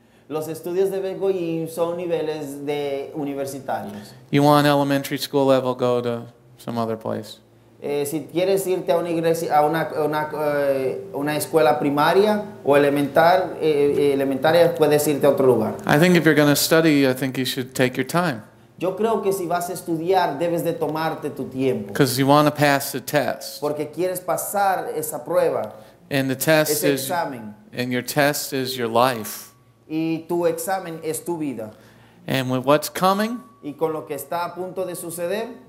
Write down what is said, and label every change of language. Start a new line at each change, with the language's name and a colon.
Spanish: Los estudios de Beth Goyim son niveles de universitarios.
English: You want elementary school level? Go to some other place.
Spanish: Si quieres irte a una iglesia, a una escuela primaria o elemental, elementaria, puedes irte a otro lugar.
English: I think if you're going to study, I think you should take your time.
Spanish: Yo creo que si vas a estudiar, debes de tomarte tu tiempo.
English: Because you want to pass the test.
Spanish: Porque quieres pasar esa prueba.
English: And the test
Spanish: ese examen.
English: And your test is your life.
Spanish: Y tu examen es tu vida.
English: And with what's coming,
Spanish: y con lo que está a punto de suceder,